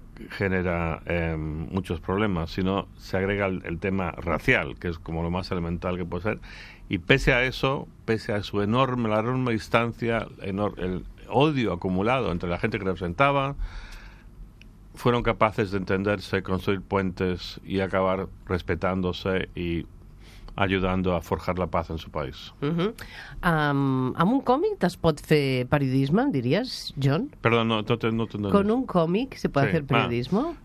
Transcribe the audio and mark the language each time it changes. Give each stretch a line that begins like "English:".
Spanish: genera muchos problemas, sino se agrega el tema racial, que es como lo más elemental que puede ser, y pese a eso, pese a su enorme distancia, el odio acumulado entre la gente que representaba, fueron capaces de entenderse, construir puentes y acabar respetándose y
Catalan: ajudando
Spanish: a forjar la paz en su país. Uh-huh.
Catalan: Amb un còmic es pot fer periodisme, diries, John? Perdó, no t'entendis.
Spanish: Con un còmic se puede hacer periodismo?